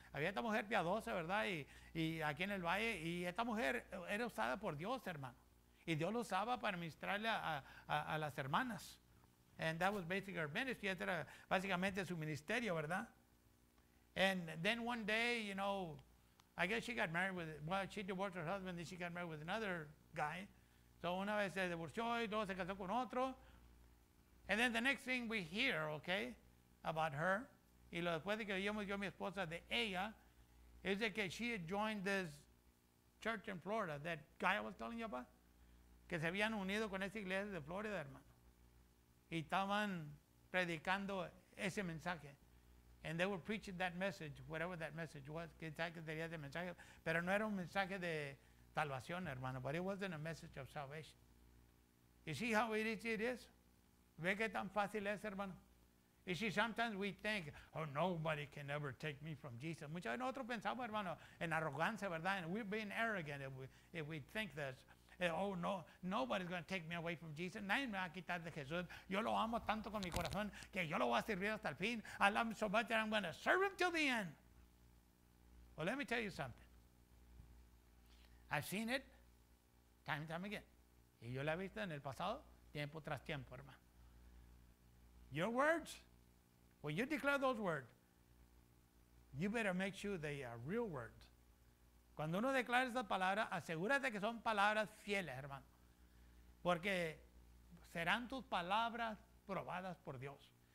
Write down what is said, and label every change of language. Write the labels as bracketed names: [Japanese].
[Spanish] Había esta mujer piadosa, ¿verdad? Y aquí en el valle, y esta mujer era usada por Dios, hermano. Y Dios lo usaba para ministrarle a las hermanas. [English] And that was basically her ministry. [Spanish] Esta era básicamente su ministerio, ¿verdad? [English] And then one day, you know, I guess she got married she divorced her husband, then she got married with another guy. [Spanish] So una vez se divorció, y luego se casó con otro. [English] And then the next thing we hear, okay, about her, [Spanish] y lo después de que oímos yo mi esposa de ella, [English] is that she had joined this church in Florida, that guy I was telling you about, [Spanish] que se habían unido con esa iglesia de Florida, hermano. Y estaban predicando ese mensaje. [English] And they were preaching that message, whatever that message was, [Spanish] que tal que tenía ese mensaje, pero no era un mensaje de salvación, hermano, [English] but it wasn't a message of salvation. You see how easy it is? [Spanish] ¿Ve que tan fácil es, hermano? [English] You see, sometimes we think, oh, nobody can ever take me from Jesus. [Spanish] Muchas veces nosotros pensamos, hermano, en arrogancia, ¿verdad? [English] And we're being arrogant if we think this. Oh, no, nobody's going to take me away from Jesus. [Spanish] Nadie me va a quitar de Jesús. Yo lo amo tanto con mi corazón que yo lo voy a servir hasta el fin. [English] I love him so much that I'm going to serve him till the end. Well, let me tell you something. I've seen it time and time again. [Spanish] Y yo la he visto en el pasado, tiempo tras tiempo, hermano. [English] Your words, when you declare those words, you better make sure they are real words. [Spanish] Cuando uno declara esas palabras, asegúrate que son palabras fieles, hermano. Porque serán tus palabras probadas por Dios.